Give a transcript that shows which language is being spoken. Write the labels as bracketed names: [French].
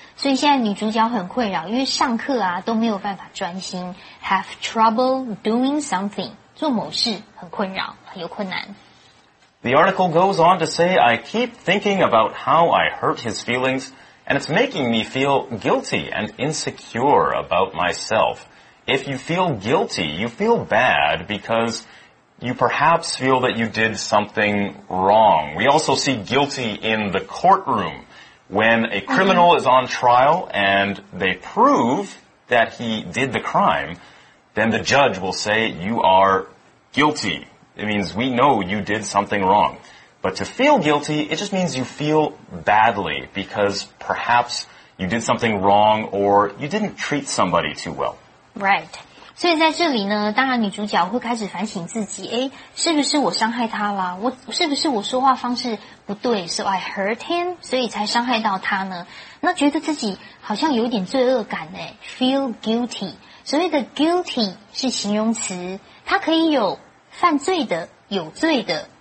[Chinese] 所以现在女主角很困扰，因为上课啊都没有办法专心， [English] have trouble doing something, [Chinese] 做某事很困扰，很有困难。 [English] The article goes on to say, I keep thinking about how I hurt his feelingsAnd it's making me feel guilty and insecure about myself. If you feel guilty, you feel bad because you perhaps feel that you did something wrong. We also see guilty in the courtroom when a criminal is on trial and they prove that he did the crime, then the judge will say you are guilty. It means we know you did something wrong. But to feel guilty, it just means you feel badly because perhaps you did something wrong or you didn't treat somebody too well. Right. [Chinese] 所以在这里呢，当然女主角会开始反省自己，诶，是不是我伤害他啦？是不是我说话方式不对 ？ [English] So I hurt him, [Chinese] 所以才伤害到他呢？那觉得自己好像有点罪恶感诶 ， [English] feel guilty. [Chinese] 所谓的 guilty 是形容词，它可以有犯罪的、有罪的。